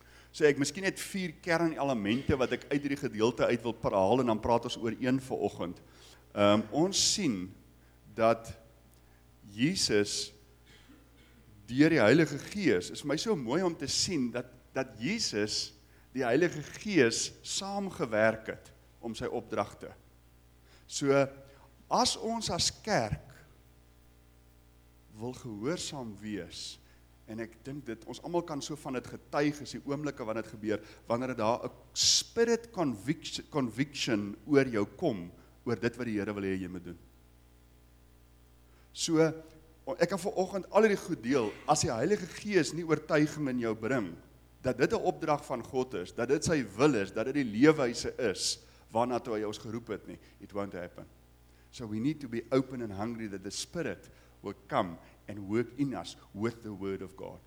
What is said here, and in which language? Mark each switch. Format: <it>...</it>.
<af>So ek miskien net 4 kernelemente wat ek uit hierdie gedeelte uit wil herhaal en dan praat ons oor een vanoggend. Ons sien dat Jesus deur die Heilige Gees, is my so mooi om te sien dat Jesus die Heilige Gees saamgewerk het om sy opdragte. So as ons as kerk wil gehoorsaam wees, en ek dink dit, ons allemaal kan so van het getuig, is die oomblikke wanneer het gebeur, wanneer het daar 'n spirit conviction oor jou kom, oor dit wat die Here wil hê jy moet doen. So, ek kan vanoggend al die goed deel, as die Heilige Gees nie oortuiging in jou bring, dat dit 'n opdrag van God is, dat dit sy wil is, dat dit die leefwyse is, waarna toe hy ons geroep het nie,</af> <en>it won't happen. So we need to be open and hungry that the spirit will come and work in us with the word of God.</en>